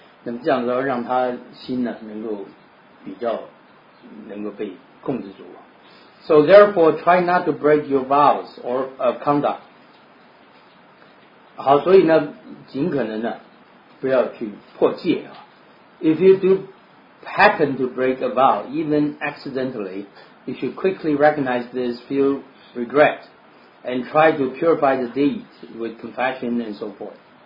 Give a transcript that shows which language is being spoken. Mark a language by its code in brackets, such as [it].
[zh] 那么这样子要让他心呢能够比较能够被控制住。 [en] So therefore, try not to break your vows or conduct. [zh] 好，所以呢，尽可能呢，不要去破戒啊。 [en] If you do happen to break a vow, even accidentally, you should quickly recognize this, feel regret, and try to purify the deed with confession and so forth.